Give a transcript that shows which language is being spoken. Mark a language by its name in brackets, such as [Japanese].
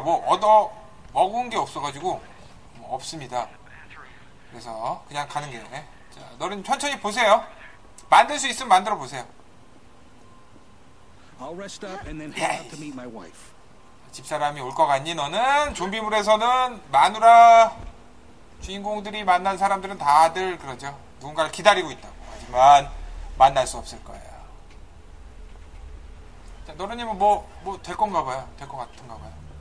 [Korean] 뭐 얻어 먹은 게 없어가지고 뭐 없습니다. 그래서 그냥 가는 게. 자 너는 천천히 보세요. 만들 수 있으면 만들어 보세요. [English] I'll rest up and then head out to meet my wife. [Korean] 집사람이 올 것 같니? 너는 좀비물에서는 마누라 주인공들이 만난 사람들은 다들 그러죠. 누군가를 기다리고 있다고. 하지만 만날 수 없을 거야. 자, 노르님은 뭐 될 건가 봐요. 될 것 같은가 봐요.